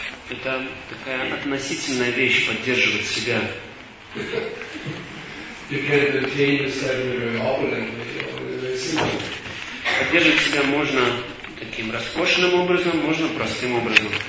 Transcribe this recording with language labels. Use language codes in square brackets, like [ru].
[ru] Это такая относительная вещь поддерживать себя. [en] You can maintain yourself in a very opulent way. [ru] Поддерживать себя можно таким роскошным образом, можно простым образом.